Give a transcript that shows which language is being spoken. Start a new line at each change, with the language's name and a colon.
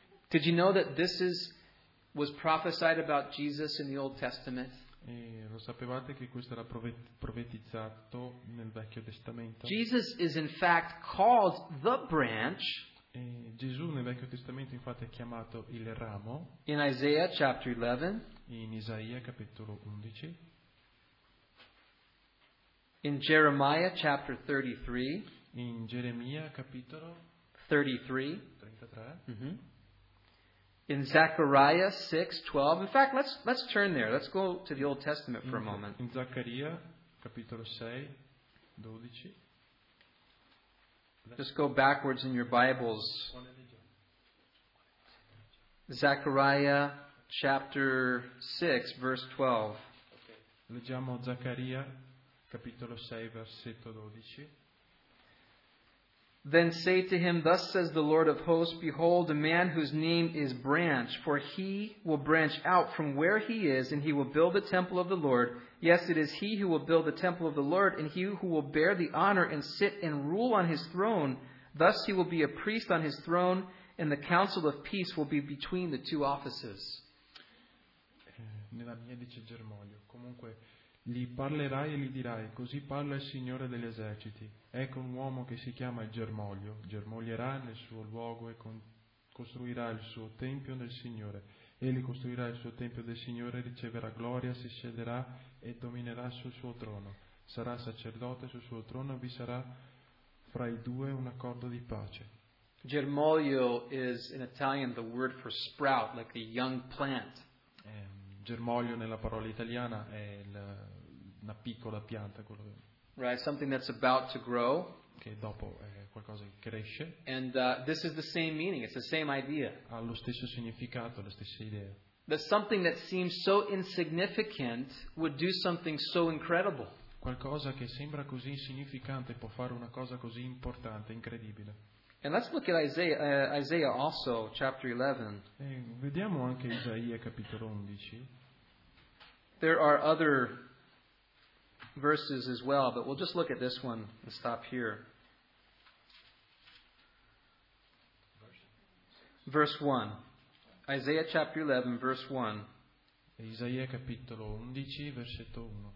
English: Did you know that this was prophesied about Jesus in the Old Testament?
Italian: Lo sapevate che questo era profetizzato nel Vecchio Testamento?
English: Jesus is in fact called the branch.
Italian: Gesù nel Vecchio Testamento infatti è chiamato il ramo.
English: In Isaiah chapter 11.
Italian: In Isaia capitolo 11.
English: In Jeremiah chapter 33.
Italian: In Geremia capitolo 33. 33. Mm-hmm.
English: In Zechariah 6:12. In fact, let's turn there. Let's go to the Old Testament for a moment.
Italian: In Zechariah, capitolo 6:12.
English: Just go backwards in your Bibles. Zechariah chapter 6, verse 12.
Italian: Leggiamo Zechariah, capitolo 6, versetto 12.
English: Then say to him, thus says the Lord of hosts, behold, a man whose name is Branch, for he will branch out from where he is, and he will build the temple of the Lord. Yes, it is he who will build the temple of the Lord, and he who will bear the honor and sit and rule on his throne. Thus he will be a priest on his throne, and the council of peace will be between the two offices.
Italian: Nella mia dice germoglio, comunque... Gli parlerai e gli dirai, così parla il Signore degli eserciti. Ecco un uomo che si chiama Germoglio, germoglierà nel suo luogo e costruirà il suo tempio nel Signore. Egli costruirà il suo tempio del Signore, riceverà gloria, si siederà e dominerà sul suo trono. Sarà sacerdote sul suo trono e vi sarà fra i due un accordo di pace.
English: Germoglio is in Italian the word for sprout, like a young plant.
Italian: Germoglio nella parola italiana è una piccola pianta, quello che...
English: Right, something that's about to grow.
Italian: Che dopo è qualcosa che cresce.
English: And this is the same meaning, it's the same idea.
Italian: Ha lo stesso significato, la stessa idea.
English: That something that seems so insignificant would do something so incredible.
Italian: Qualcosa che sembra così insignificante può fare una cosa così importante, incredibile.
English: And let's look at Isaiah also, chapter 11.
Italian: Vediamo anche Isaia, capitolo 11.
English: There are other verses as well, but we'll just look at this one and stop here. Verse 1. Isaiah, chapter 11, verse 1.
Italian: Isaia, capitolo 11, versetto 1.